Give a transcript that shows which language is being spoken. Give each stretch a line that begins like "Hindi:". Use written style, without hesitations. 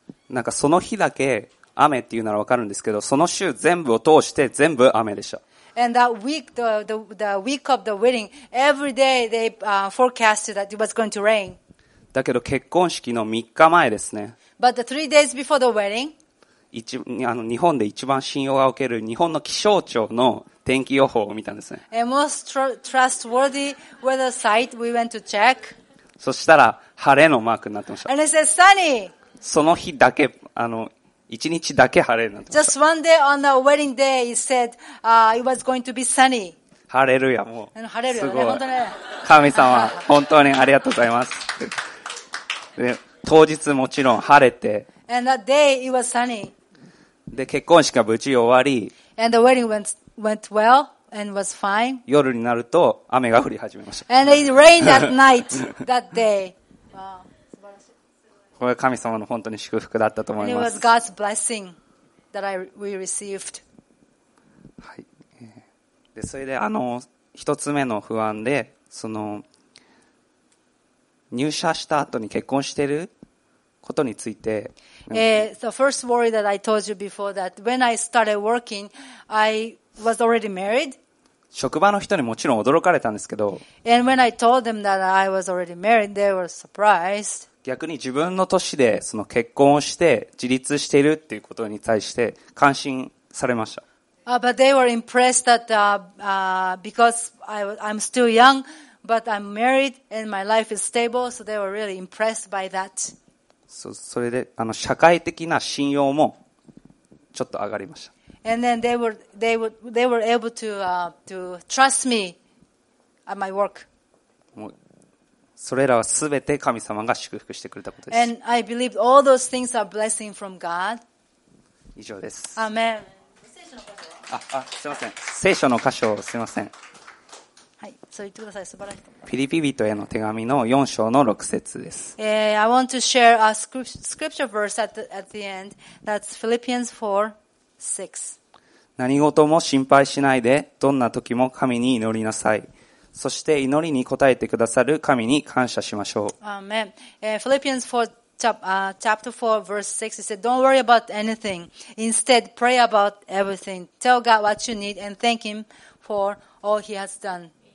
Japanese: なんかその日だけ雨っていうなら分かるんですけど、その週全部を通して全部雨でした。
English: And that week, the week of the wedding, every day they forecasted that it was going to rain.
Japanese: だけど結婚式の3日前ですね。
English: But the 3 days before the wedding,
Japanese: 日本で一番信用が置ける日本の気象庁の天気予報を見たんですね。
English: A most trustworthy weather site we went to check.
Japanese: そしたら晴れのマークになってました。
English: And it says sunny.
Japanese: その日だけ、一日だけ晴れるなんて。
English: Just one day on the wedding day, it said, it was going to be sunny.
Japanese: 晴れるや、もう。晴れるよね、本当ね。神様、本当にありがとうございます。で、当日もちろん晴れて。
English: And that day, it was sunny.
Japanese: で、結婚式が無事終わり。
English: And the wedding went well, and was fine.
Japanese: 夜になると雨が降り始めました。
English: And it rained at night that day. Wow.
Japanese: これは神様の本当に祝福だったと思います。
English: And it was God's blessing that we received.
Japanese: はい。で、それで、一つ目の不安で、その、入社した後に結婚してることについて。
English: The first worry that I told you before that when I started working, I was already married.
Japanese: 職場の人にもちろん驚かれたんですけど。
English: And when I told them that I was already married, they were surprised.
Japanese: 逆に自分の年でその結婚をして自立しているっていうことに対して感心されました。
English: But they were impressed that because I'm still young, but I'm married and my life is stable, so they were really impressed by that.
Japanese: So, それで社会的な信用もちょっと上がりました。
English: And then they were able to trust me at my work.
Japanese: もうそれらはすべて神様が祝福してくれたことです。
English: And I believe all those things are blessing from God.
Japanese: 以上です。
English: Amen.
Japanese: すいません。聖書の箇所、すいません。はい、そう言ってください。素晴らしい。フィリピ人への手紙の4章の6節です。
English: I want to share a scripture verse at the end. That's Philippians 4:6.
Japanese: 何事も心配しないで、どんな時も神に祈りなさい。そして祈りに応えてくださる神に感謝しましょう。
English: Amen. Philippians 4:6. Chapter 4, verse 6, it said, Don't worry about anything. Instead, pray about everything. Tell God what you need and thank Him for all He has done.